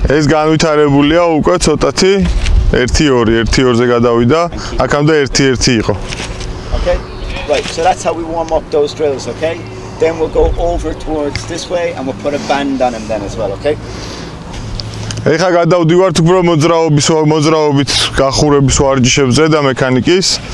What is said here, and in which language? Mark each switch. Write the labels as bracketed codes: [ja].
[ka] ეს განვითარებულია უკვე ცოტათი 1-2 1-2-ზე გადავიდა აქამდე 1-1 იყო [en] okay right so that's how we warm up those drills okay then we'll go over towards this way and we'll put a band on him then as well okay [ka] ეხა გადავდივართ უფრო მოძრაობის მოძრაობით გახურების ვარჯიშებზე და მექანიკის